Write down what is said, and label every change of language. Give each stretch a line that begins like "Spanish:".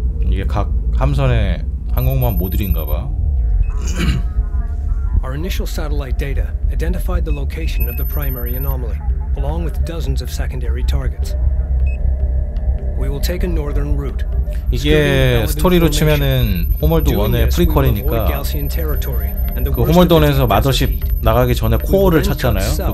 Korean: 이게 각 함선의 항공모함 모듈인가 봐.
English: Our initial satellite data identified the location of the primary anomaly along with dozens of secondary targets. We will take a northern route.
Korean: 이게 스토리로 치면은 홈월드 1의 프리퀄이니까 그 홈월드 1에서 마더쉽 나가기 전에 코어를 찾잖아요.